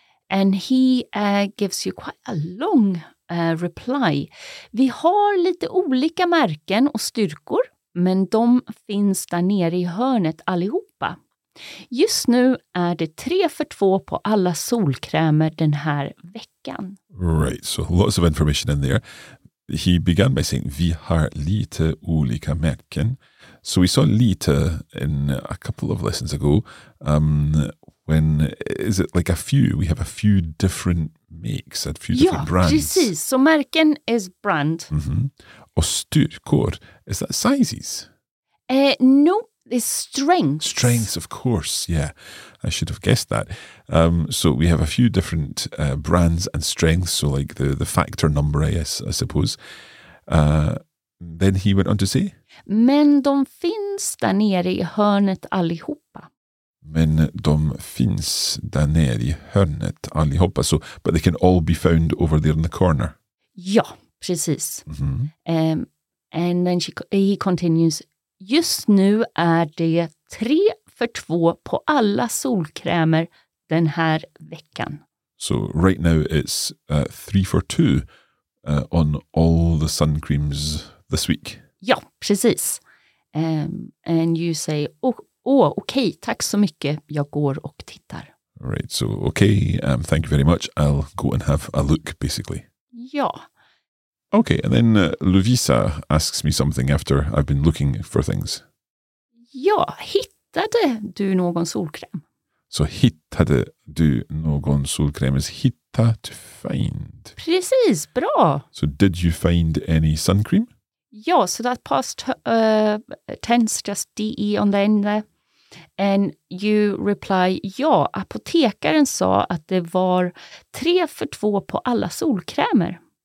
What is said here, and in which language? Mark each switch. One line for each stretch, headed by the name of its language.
English: And he gives you quite a long reply.
Swedish: Vi har lite olika märken och styrkor, men de finns där nere i hörnet allihopa. Just nu är det 3 för 2 på alla solkrämer den här veckan.
English: Right, so lots of information in there. He began by saying,
Swedish: vi har lite olika märken.
English: So we saw lite in a couple of lessons ago. When is it like a few? We have a few different makes, a few different brands. Yeah, precis. So märken is brand. Mm-hmm.
Swedish: Och styrkor,
English: is that sizes? No, it's strengths. Strengths, of course. Yeah, I should have guessed that. So we have a few different brands and strengths. So like the factor number, I suppose. Then he went on to say.
Swedish: Men de finns där nere i hörnet allihopa. Men de finns där nere i hörnet allihopa.
English: So, but they can all be found over there in the corner.
Swedish: Ja, precis. Mm-hmm.
English: And then he continues.
Swedish: Just nu är det 3 för 2 på alla solkrämer den här veckan.
English: So right now it's 3 for 2 on all the sun creams this week. Ja, precis. And you say, oh, okay,
Swedish: tack så mycket. Jag går och tittar.
English: Right, so okay, thank you very much. I'll go and have a look, basically.
Swedish: Ja.
English: Okay, and then Lovisa asks me something after I've been looking for things.
Swedish: Ja, hittade du någon solkräm?
English: So
Swedish: hittade du någon solkräm
English: is hitta to find.
Swedish: Precis, bra.
English: So did you find any sun cream? Ja, so that past tense, just DE on the end there. And you reply,
Swedish: ja, apotekaren sa att det var 3 för 2 på alla solkrämer.